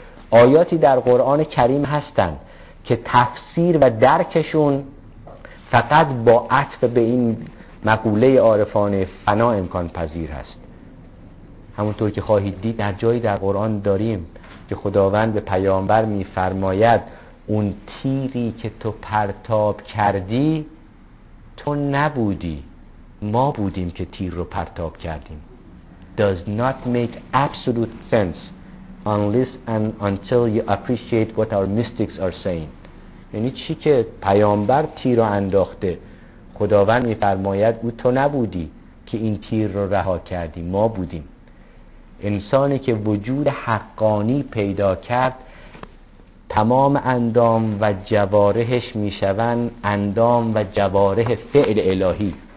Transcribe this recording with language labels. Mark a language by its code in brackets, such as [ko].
[fa] آیاتی در قرآن کریم هستن که تفسیر و درکشون فقط با عطف به این مقوله عارفانه فنا امکان پذیر هست. همونطور که خواهید دید در جایی در قرآن داریم که خداوند به پیامبر میفرماید اون تیری که تو پرتاب کردی تو نبودی، ما بودیم که تیر رو پرتاب کردیم. [en] Does not make absolute sense unless and until you appreciate what our mystics are saying. [fa] یعنی چی که پیامبر تیر رو انداخته، خداوند میفرماید او تو نبودی که این تیر رو رها کردی، ما بودیم. انسانی که وجود حقانی پیدا کرد تمام اندام و جوارحش میشوند اندام و جوارح فعل الهی.